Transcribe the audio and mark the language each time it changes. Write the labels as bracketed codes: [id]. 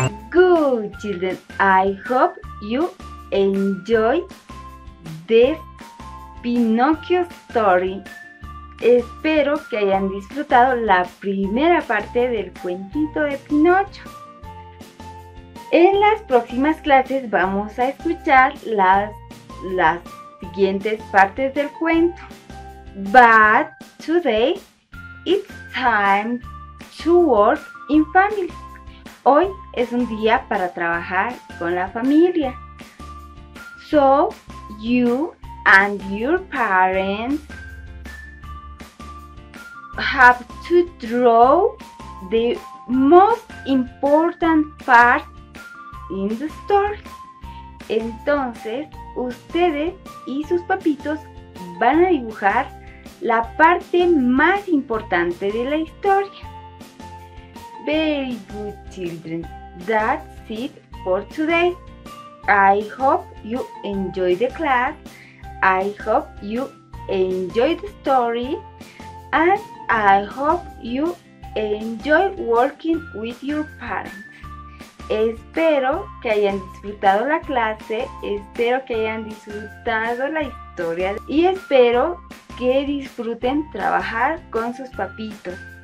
[en] Good children, I hope you enjoy this Pinocchio story. [es] Espero que hayan disfrutado la primera parte del cuentito de Pinocho. En las próximas clases vamos a escuchar las siguientes partes del cuento. [en] But today it's time to work in family. [es] Hoy es un día para trabajar con la familia. [en] So you and your parents have to draw the most important part in the store. [es] Entonces, ustedes y sus papitos van a dibujar la parte más importante de la historia. [en] Very good children, that's it for today. I hope you enjoy the class, I hope you enjoy the story, and I hope you enjoy working with your parents. [es] Espero que hayan disfrutado la clase, espero que hayan disfrutado la historia y espero que disfruten trabajar con sus papitos.